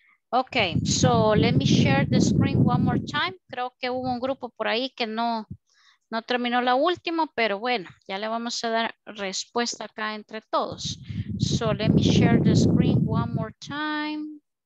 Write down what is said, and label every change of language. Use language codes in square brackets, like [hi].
[en] Okay, so let me share the screen one more time. [es] Creo que hubo un grupo por ahí que no terminó la última, pero bueno, ya le vamos a dar respuesta acá entre todos. [en] So let me share the screen one more time.